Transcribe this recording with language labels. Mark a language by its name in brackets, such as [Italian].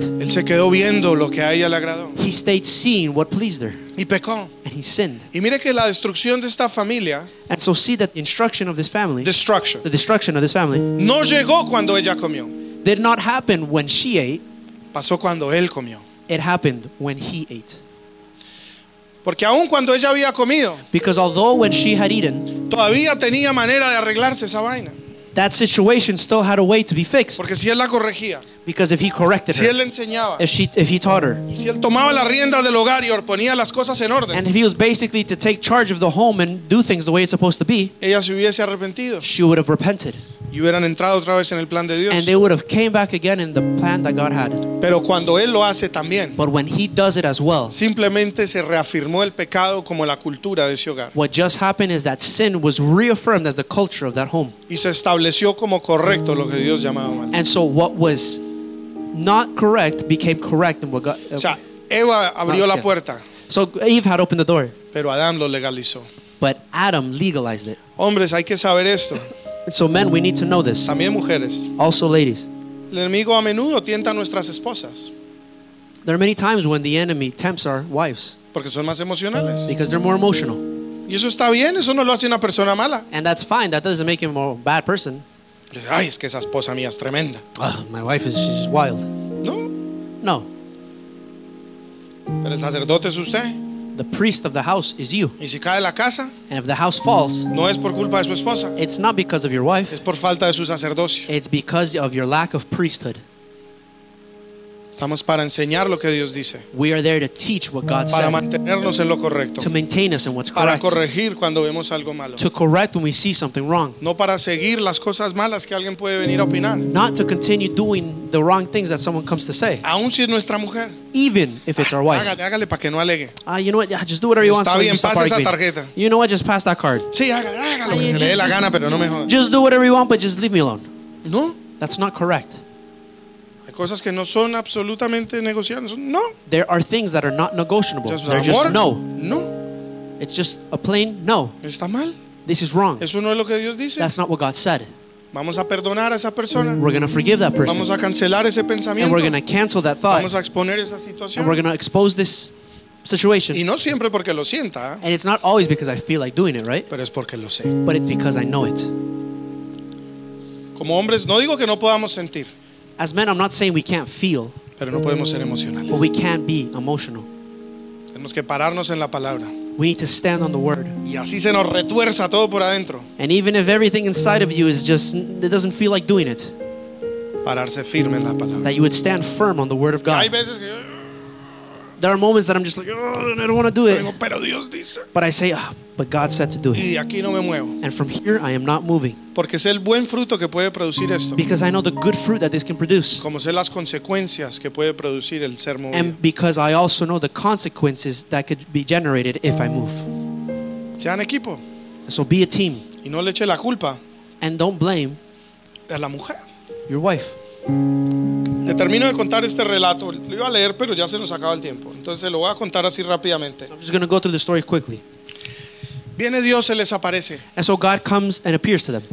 [Spanish] Él se quedó viendo lo que a ella le agradó. [English] He stayed seeing what pleased her. [Spanish] Y pecó. [English] And he sinned. [Spanish] Y mire que la destrucción de esta familia. [English] And so see that the instruction of this family. [Spanish] Destruction. [English] The destruction of this family. [Spanish] No llegó cuando ella comió. [English] Did not happen when she ate. [Spanish] Pasó cuando él comió. [English] It happened when he ate. [Spanish] Porque aun cuando ella había comido. [English] Because although when she had eaten. [Spanish] Todavía tenía manera de arreglarse esa vaina. [English] That situation still had a way to be fixed. [Spanish] Porque si él la corregía. [English] Because if he corrected [Spanish] si [English] her. [Spanish] Si él le enseñaba. [English] If he taught her. [Spanish] Y si él tomaba las riendas del hogar y ponía las cosas en orden. [English] And if he was basically to take charge of the home and do things the way it's supposed to be. [Spanish] Ella se hubiese arrepentido. [English] She would have repented. [Spanish] Y hubieran entrado otra vez en el plan de Dios. [English] And they would have came back again in the plan that God had. [Spanish] Pero cuando él lo hace también. [English] But when he does it as well. [Spanish] Simplemente se reafirmó el pecado como la cultura de ese hogar. [English] What just happened is that sin was reaffirmed as the culture of that home. [Spanish] Y se estableció como correcto lo que Dios llamaba mal. [English] And so what was not correct became correct in what God. [Spanish] O sea, Eva abrió la puerta. [English] So Eve had opened the door. [Spanish] Pero Adán lo legalizó. [English] But Adam legalized it. [Spanish] Hombres, hay que saber esto. [English] And so men, we need to know this. [Spanish] También mujeres. [English] Also ladies. [Spanish] El enemigo a menudo tienta a nuestras esposas. [English] There are many times when the enemy tempts our wives. [Spanish] Porque son más emocionales. [English] Because they're more emotional. [Spanish] Y eso está bien, eso no lo hace una persona mala. [English] And that's fine, that doesn't make him a bad person. [Spanish] Ay, es que esa esposa mía es tremenda. [English] My wife is just wild. [Spanish] No. [English] No. [Spanish] Pero el sacerdote es usted. [English] The priest of the house is you. [Spanish] Y si cae la casa, [English] and if the house falls, [Spanish] no es por culpa de su esposa. [English] It's not because of your wife. [Spanish] Es por falta de su sacerdocio. [English] It's because of your lack of priesthood. [Spanish] Estamos para enseñar lo que Dios dice. [English] We are there to teach what God [Spanish] para [English] said. [Spanish] Mantenernos en lo correcto. [English] To maintain us in what's [Spanish] para [English] correct. [Spanish] Corregir cuando vemos algo malo. [English] To correct when we see something wrong. [Spanish] No para seguir las cosas malas que alguien puede venir a opinar. [English] Not to continue doing the wrong things that someone comes to say. [Spanish] Aun si es nuestra mujer. [English] Even if it's our wife. [Spanish] Hágale para que no alegue. [English] You know what? Just do whatever you [Spanish] está [English] want. [Spanish] Está bien, [English] so [Spanish] pase esa tarjeta. [English] Me. You know what? Just pass that card. [Spanish] Sí, hágale lo que se le dé la gana, pero no me jodas. [English] Just do whatever you want, but just leave me alone. [Spanish] No. [English] That's not correct. [Spanish] Cosas que no son absolutamente negociables. No. [English] There are things that are not negotiable. Just they're [Spanish] amor, [English] just no. [Spanish] No. [English] It's just a plain no. [Spanish] Está mal. [English] This is wrong. [Spanish] Eso no es lo que Dios dice. [English] That's not what God said. [Spanish] Vamos a perdonar a esa persona. [English] We're going to forgive that person. [Spanish] Vamos a cancelar ese pensamiento. [English] And we're going to cancel that thought. [Spanish] Vamos a exponer esa situación. [English] And we're going to expose this situation. [Spanish] Y no siempre porque lo sienta. [English] And it's not always because I feel like doing it, right? [Spanish] Pero es porque lo sé. [English] But it's because I know it. [Spanish] Como hombres, no digo que no podamos sentir. [English] As men, I'm not saying we can't feel, [Spanish] pero no podemos ser emocionales. [English] But we can't be emotional. [Spanish] Tenemos que pararnos en la palabra. [English] We need to stand on the word. [Spanish] Y así se nos retuerza todo por adentro. [English] And even if everything inside of you is just, it doesn't feel like doing it, [Spanish] pararse firme en la palabra. [English] That you would stand firm on the word of God. [Spanish] Hay veces que, [English] there are moments that I'm just like, I don't want to do it. [Spanish] Pero Dios dice. [English] But I say, but God said to do it. [Spanish] Y aquí no me muevo. [English] And from here, I am not moving. [Spanish] Porque sé el buen fruto que puede producir esto. [English] Because I know the good fruit that this can produce. [Spanish] Como sé las consecuencias que puede producir el ser movido. [English] And because I also know the consequences that could be generated if I move. [Spanish] Sean equipo. [English] So be a team. [Spanish] Y no le eche la culpa. [English] And don't blame. [Spanish] A la mujer. [English] Your wife. [Spanish] Le termino de contar este relato. Lo iba a leer, pero ya se nos acaba el tiempo. Entonces se lo voy a contar así rápidamente. [English] So I'm just going to go through the story quickly. [Spanish] Viene Dios, se les aparece. [English] And so God comes and appears to them.